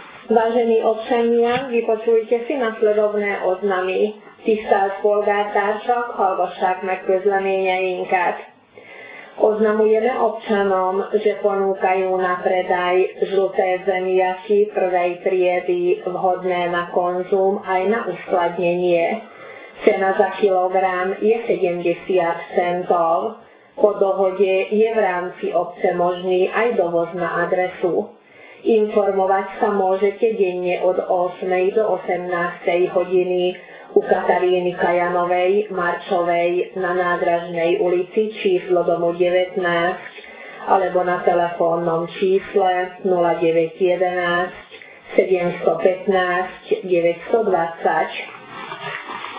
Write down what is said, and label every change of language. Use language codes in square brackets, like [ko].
[sk] Vážení občania, vypočujte si nasledovné oznamy. [hu] Tisztelt polgártársak, hallgassák meg közleményeinket. [sk] Oznamujeme občanom, že ponúkajú na predaj žlté zemiaky prvej triedy vhodné na konzum aj na uskladnenie. Cena za kilogram je 70 centov. Po dohode je v rámci obce možný aj dovoz na adresu. Informovať sa môžete denne od 8. do 18. hodiny u Kataríny Kajanovej Marčovej na Nádražnej ulici číslo domu 19 alebo na telefónnom čísle 0911 715 920.